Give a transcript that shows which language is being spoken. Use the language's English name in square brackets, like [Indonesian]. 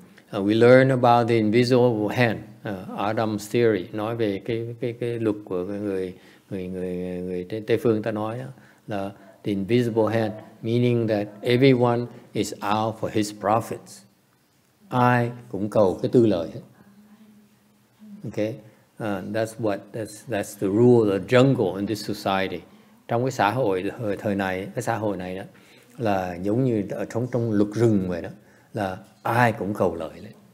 [English] We learn about the invisible hand, Adam's theory, [Vietnamese] nói về cái luật của người Tây phương ta nói đó, là [English] the invisible hand, meaning that everyone is out for his profits. [Vietnamese] Ai cũng cầu cái tư lợi. [English] Okay, that's the rule of the jungle in this society. [Vietnamese] Trong cái xã hội thời này, cái xã hội này đó là giống như ở trong luật rừng vậy đó, là ai cũng cầu lợi đấy.